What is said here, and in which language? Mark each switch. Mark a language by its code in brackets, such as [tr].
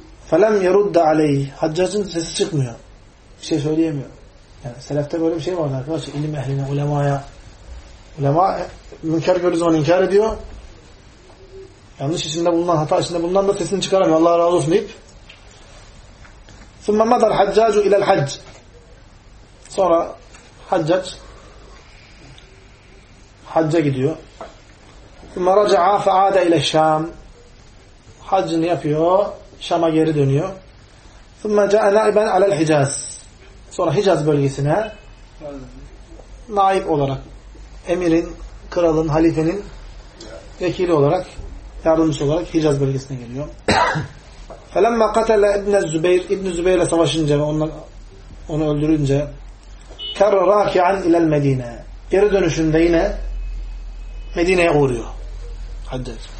[ar] فَلَمْ يَرُدَّ عَلَيْهِ [tr] Haccacın sesi çıkmıyor. Bir şey söyleyemiyor. Yani selefte böyle bir şey vardı arkadaşlar. İlim ehline, ulemaya. Ulema münker gördüğü zaman inkar ediyor. Yanlış içinde bulunan, hata içinde bulunan da sesini çıkaramıyor. Allah razı olsun deyip. [ar] ثُمَّ مَدَرْ حَجَّاجُ اِلَى الْحَجِّ [tr] Sonra Haccac hacca gidiyor. [ar] ثُمَّ رَجَعَ فَعَادَ اِلَى الشَّامِ [tr] Haccını yapıyor. Şam'a geri dönüyor. [ar] ثُمَّ جَاءَ نَائِبًا عَلَى الْحِجَازِ [tr] Sonra Hicaz bölgesine naib olarak emirin, kralın, halifenin vekili olarak, yardımcısı olarak Hicaz bölgesine geliyor. [ar] فَلَمَّا قَتَلَ اِبْنَ الزُّبَيْرِ [tr] İbn-i Zübeyr'le savaşınca ve onu öldürünce [ar] كَرَّ رَاكِعًا اِلَى الْمَد۪ينَ [tr] Geri dönüşünde yine Medine'ye uğruyor. Haccac.